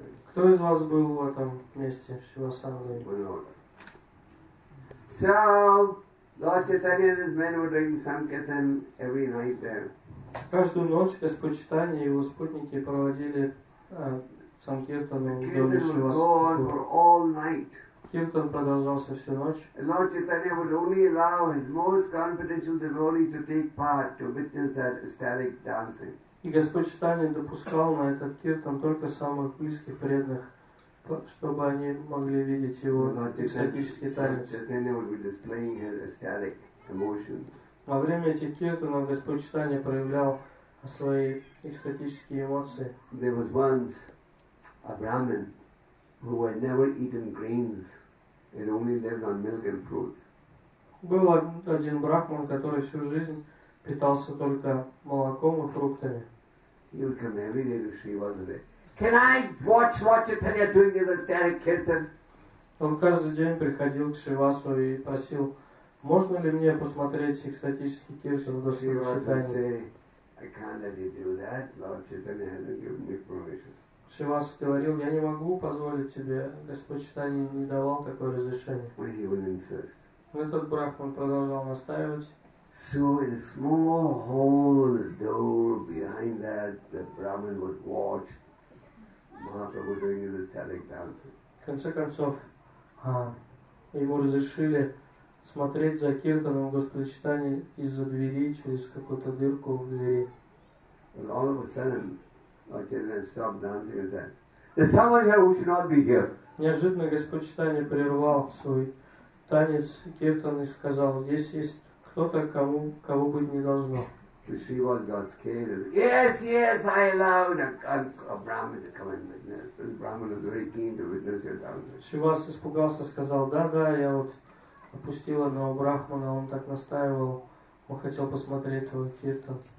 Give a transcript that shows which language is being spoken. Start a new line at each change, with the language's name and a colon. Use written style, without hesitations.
Russian: Кто из вас был в этом месте, в Шривасангаме?
English: So, Lord Chaitanya and his men were doing sankirtan every night there.
Russian: Каждую ночь Господь Читания и его спутники проводили санкиртану в доме Шривасангама. Киртан продолжался всю ночь.
English: Lord Chaitanya would only allow his most confidential devotees to take part to witness that ecstatic dancing.
Russian: И Господь Читания допускал на этот киртан только самых близких преданных, чтобы они могли видеть его экстатический танец.
English: Lord Chaitanya would be displaying his ecstatic emotions.
Russian: Во время этих киртанов Господь Читания проявлял свои экстатические эмоции.
English: There was once a Brahmin who had never eaten grains and only lived on milk and fruits.
Russian: Был один брахман, который всю жизнь питался только молоком и фруктами.
English: He would come every day to Shrivasana. Can I watch what Chaitanya doing in the ecstatic kirtan?
Russian: Он каждый день приходил к Шривасу и просил, можно ли мне посмотреть экстатический киртан до
English: Шривасана? I can't let you do that. Lord Chaitanya hasn't given me permission.
Russian: Шивас говорил, я не могу позволить тебе, Господь Читания не давал такое разрешение.
English: Well, he would insist.
Russian: Но этот брахман продолжал настаивать.
English: So in a small hole door behind that, the Brahmin would watch Mahaprabhu doing his ecstatic dancing.
Russian: В конце концов, ему разрешили смотреть за киртаном Господа Читания из-за двери, через какую-то дырку в двери.
English: And all of a sudden, Lord Chaitanya stopped dancing and said, "There's someone here who should not be here."
Russian: Неожиданно Господь Читания прервал свой танец киртан и сказал, "Здесь есть кто-то, кого быть не должно."
English: The Shrivas got scared. "Yes, yes, I allowed a Brahmin to come and witness. This Brahmin is very keen to witness your dancing."
Russian: Шривас испугался, сказал, "Да, я вот отпустил одного брахмана, он так настаивал, он хотел посмотреть твой киртан."